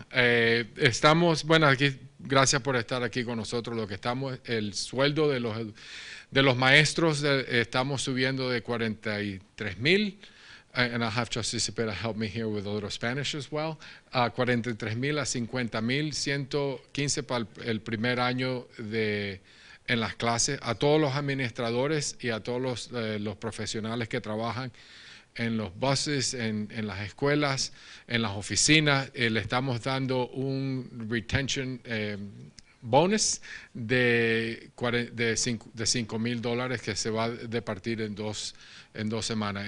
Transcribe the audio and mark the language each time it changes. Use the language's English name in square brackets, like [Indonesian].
[Spanish] Estamos, bueno, aquí, gracias por estar aquí con nosotros. Lo que estamos, el sueldo de los maestros, estamos subiendo de 43,000. [English] And I'll have Trustee Cepeda help me here with a little Spanish as well. [Spanish] 43,000 a 50,000, 115 para el primer año en las clases. A todos los administradores y a todos los profesionales que trabajan en los buses, en las escuelas, en las oficinas, le estamos dando un retention bonus de $5,000 que se va a partir en dos semanas.